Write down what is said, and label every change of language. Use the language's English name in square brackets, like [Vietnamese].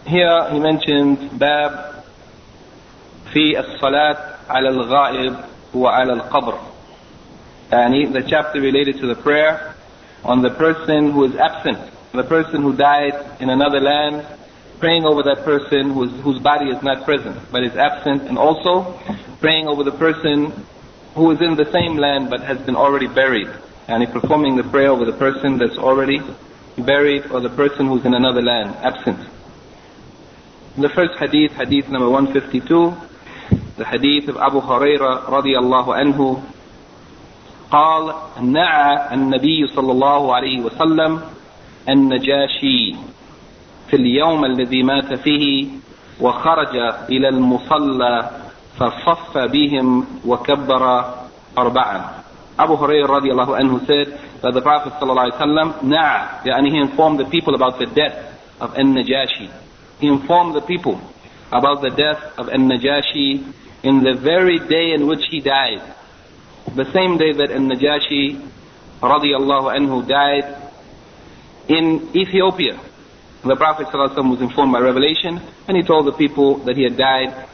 [English] Here he mentions bab fi as-salat ala al-ghaib wa ala al-qabr, and the chapter related to the prayer on the person who is absent, the person who died in another land, praying over that person whose body is not present but is absent, and also praying over the person who is in the same land but has been already buried, and performing the prayer over the person that's already buried or the person who's in another land, absent. [Arabic] The first hadith, hadith number 152, the hadith of Abu Huraira radiallahu anhu, قال نعى النبي صلى الله عليه وسلم النجاشي في اليوم الذي مات فيه وخرج إلى المصلى فصف بهم وكبر أربعا. [English] Abu Hurairah radiallahu anhu said that the Prophet sallallahu alayhi wa sallam na'a, and he informed the people about the death of An-Najashi. He informed the people about the death of An-Najashi in the very day in which he died. The same day that An-Najashi radiallahu anhu died in Ethiopia, the Prophet sallallahu alayhi wa sallam was informed by revelation, and he told the people that he had died.